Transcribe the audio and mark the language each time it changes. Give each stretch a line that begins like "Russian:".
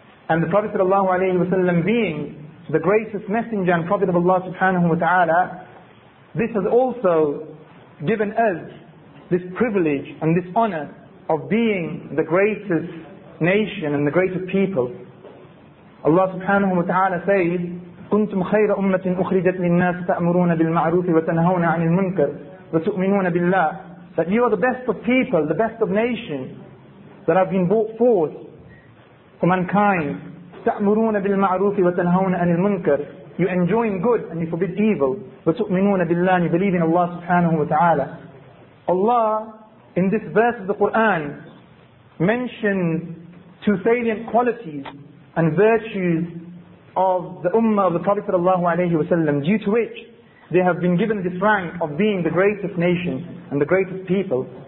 English: And the Prophet sallallahu alayhi wa sallam being the greatest messenger and Prophet of Allah subhanahu wa ta'ala, this has also given us this privilege and this honor of being the greatest nation and the greatest people. Allah subhanahu wa ta'ala says,
Arabic: كُنْتُمْ خَيْرَ أُمَّةٍ أُخْرِجَتْ لِلنَّاسِ تَأْمُرُونَ بِالْمَعْرُوفِ وَتَنَهَوْنَ عَنِ الْمُنْكَرِ وَتُؤْمِنُونَ بِاللَّهِ.
English: That you are the best of people, the best of nations that have been brought forth for mankind.
Arabic: تَأْمُرُونَ بِالْمَعْرُوفِ وَتَنَهَوْنَ عَنِ الْمُنْكَرِ.
English: You enjoin good and you forbid evil.
Arabic: وَتُؤْمِنُونَ بِاللَّهِ.
English: And you believe in Allah subhanahu wa ta'ala. Allah, in this verse of the Quran, mentioned two salient qualities and virtues of the Ummah of the Prophet sallallahu alayhi wa sallam, due to which they have been given this rank of being the greatest nation and the greatest people.